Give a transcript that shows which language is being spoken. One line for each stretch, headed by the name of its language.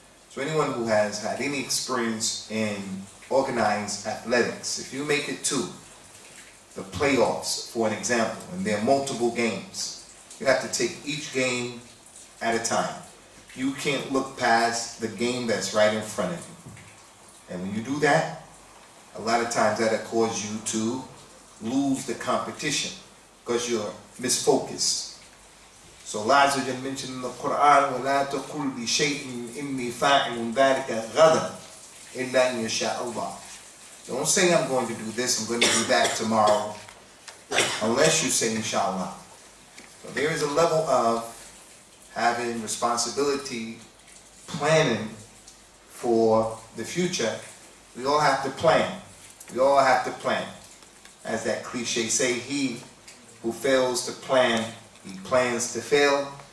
English: So anyone who has had any experience in organized athletics, if you make it to the playoffs, for an example, and there are multiple games, you have to take each game at a time. You can't look past the game that's right in front of you. And when you do that, a lot of times that'll cause you to lose the competition because you're misfocused. So Allah Azza wa Jalla mentioned in the Quran,
Arabic: وَلَا تَقُلْ لِشَيْءٍ إِنِّي فَاعِلٌ ذَلِكَ غَدًا إِلَّا أَنْ يَشَاءَ اللَّهُ.
English: Don't say I'm going to do this, I'm going to do that tomorrow, unless you say inshallah. So there is a level of having responsibility, planning for the future. We all have to plan. We all have to plan. As that cliche say, he who fails to plan, he plans to fail.